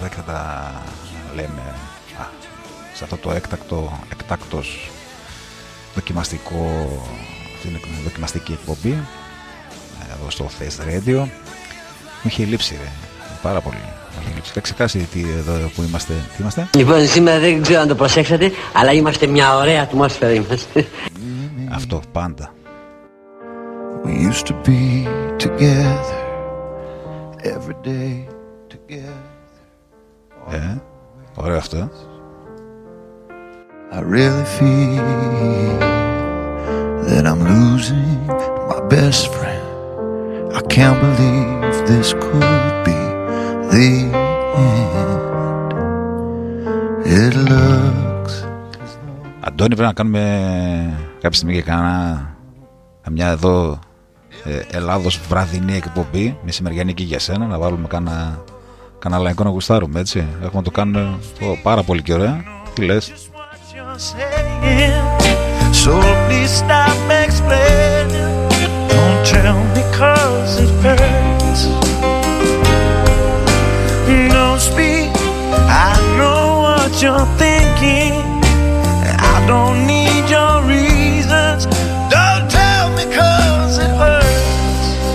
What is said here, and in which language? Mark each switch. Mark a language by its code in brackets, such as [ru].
[el] θα λέμε σε αυτό το έκτακτο, εκτάκτος δοκιμαστικό, την δοκιμαστική εκπομπή εδώ στο Θες Radio. Μου είχε λείψει ρε, πάρα πολύ. Θα ξεχάσει τι εδώ που είμαστε, τι είμαστε. Λοιπόν, σήμερα δεν ξέρω αν το προσέξατε, αλλά είμαστε μια ωραία ατμόσφαιρα είμαστε. Αυτό πάντα. [en] We used to be together, every day together. [el] Ε, ωραίο αυτό. [en] I really feel that I'm losing my best friend. I can't believe this could be the end. It looks. [el] Αντώνη, πρέπει να κάνουμε κάποια στιγμή και κάνα μια εδώ Ελλάδος βραδινή εκπομπή, μεσημεριανή και για σένα, να βάλουμε κανένα λαϊκό να γουστάρουμε, έτσι. Έχουμε το κάνουμε πάρα πολύ και ωραία. Τι λες? [en] So please stop explaining. Don't tell me 'cause it hurts. Don't speak. I know what you're thinking. I don't need your reasons. Don't tell me 'cause it hurts.